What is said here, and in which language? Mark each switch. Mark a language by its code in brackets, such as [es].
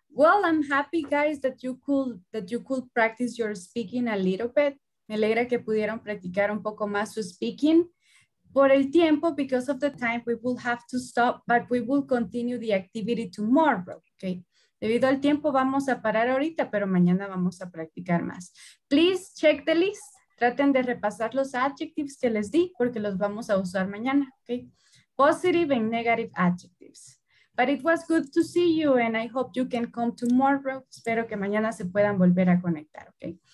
[en] Well, I'm happy, guys, that you could practice your speaking a little bit. [es] Me alegra que pudieron practicar un poco más su speaking. Por el tiempo, [en] because of the time, we will have to stop, but we will continue the activity tomorrow, okay? [es] Debido al tiempo, vamos a parar ahorita, pero mañana vamos a practicar más. [en] Please check the list. [es] Traten de repasar los adjectives que les di, porque los vamos a usar mañana, okay? [en] Positive and negative adjectives. But it was good to see you, and I hope you can come tomorrow. [es] Espero que mañana se puedan volver a conectar, okay?